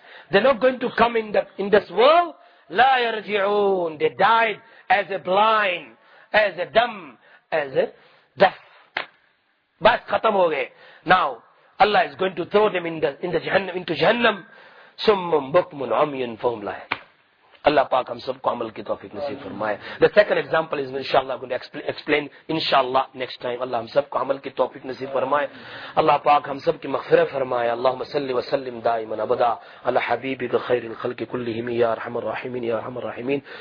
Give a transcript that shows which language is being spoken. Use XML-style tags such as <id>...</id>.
<en>They're not going to come in this world.</en> <ar>لا يرجعون.</ar> <en>They died as a blind, as a dumb, as a deaf.</en> <ur>بس ختم ہو گئے.</ur> <en>Now Allah is going to throw them in the jahannam, into jahannam.</en> <ar>سُمٌّ بُكْمٌ عُمْيٌ فَهُمْ لَا يَرْجِعُونَ.</ar> <ur>Allah پاک ہم سب کو عمل کی توفیق نصیب فرمائے.</ur> <en>The second example is inshallah going to explain inshallah next time.</en> <ur>Allah ہم سب کو عمل کی توفیق نصیب فرمائے. Allah پاک ہم سب کی مغفرت فرمائے.</ur> <ar>اللهم صل وسلم دائما ابدا على حبيبك خير الخلق كلهم يا ارحم الراحمين يا ارحم الراحمين.</ar>